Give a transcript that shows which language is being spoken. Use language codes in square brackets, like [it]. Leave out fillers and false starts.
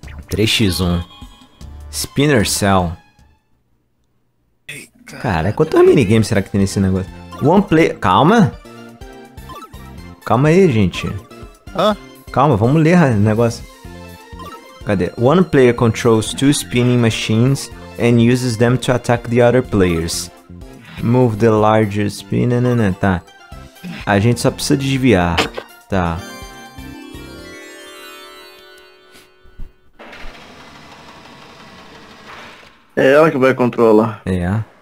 [en] 3x1. Spinner Cell. [pt] Cara, quantos minigames será que tem nesse negócio? [en] One play. [pt] Calma! Calma aí, gente. Hã? Calma, vamos ler o negócio. Cadê? [en] One player controls 2 spinning machines and uses them to attack the other players. Move the larger spin, [pt] né, tá. A gente só precisa desviar, tá. É ela que vai controlar. É.